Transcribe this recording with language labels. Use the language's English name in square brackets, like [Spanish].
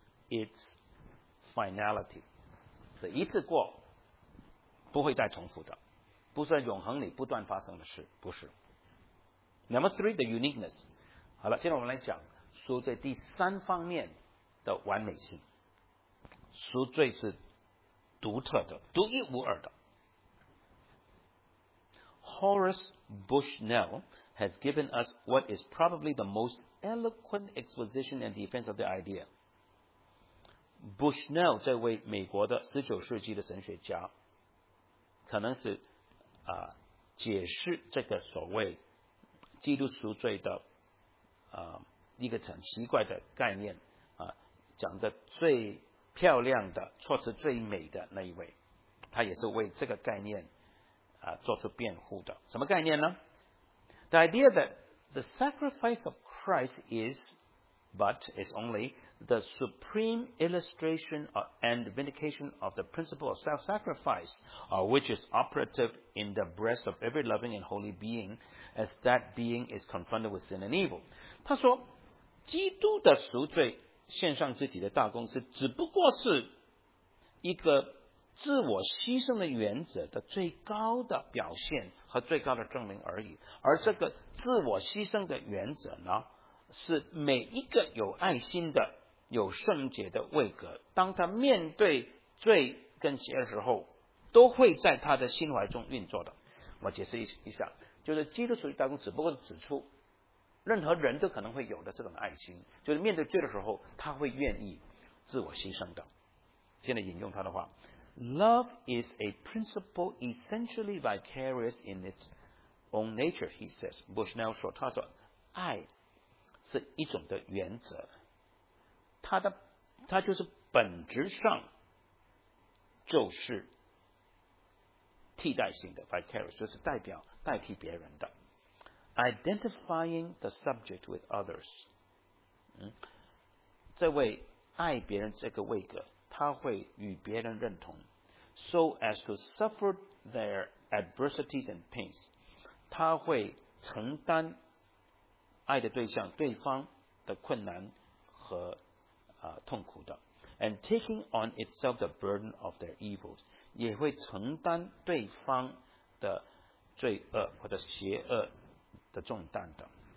[English] It's finality， [Chinese] 是一次过不会再重复的，不是在永恒里不断发生的事，不是。 [English] Number three， the uniqueness。 [Chinese] 好了，现在我们来讲赎罪第三方面的完美性。赎罪是独特的，独一无二的。 [English] Horace Bushnell has given us what is probably the most eloquent exposition and defense of the idea. [Chinese] Bushnell 这位美国的十九世纪的神学家，可能是解释这个所谓基督赎罪的一个很奇怪的概念讲的最漂亮的、措辞最美的那一位，他也是为这个概念做出辩护的。什么概念呢？ [English] The idea that the sacrifice of Christ is only the supreme illustration and vindication of the principle of self-sacrifice, which is operative in the breast of every loving and holy being as that being is confronted with sin and evil. [Chinese] 他说基督的赎罪献上自己的大公是只不过是一个自我牺牲的原则的最高的表现和最高的证明而已，而这个自我牺牲的原则呢，是每一个有爱心的、有圣洁的位格，当他面对罪跟邪的时候，都会在他的心怀中运作的。我解释一下，就是基督属于大公，只不过是指出任何人都可能会有的这种爱心，就是面对罪的时候，他会愿意自我牺牲的。现在引用他的话。 [English] Love is a principle essentially vicarious in its own nature, he says. [Chinese] Bushnell 说，他说，爱是一种的原则，它就是本质上就是替代性的 vicarious， 就是代替别人的。 [English] Identifying the subject with others， [Chinese] 这位爱别人这个位格，他会与别人认同。 [English] So as to suffer their adversities and pains， [Chinese] 他会承担爱的对象对方的困难和痛苦的。 [English] And taking on itself the burden of their evils， [Chinese] 也会承担对方的罪恶或者邪恶的重担的。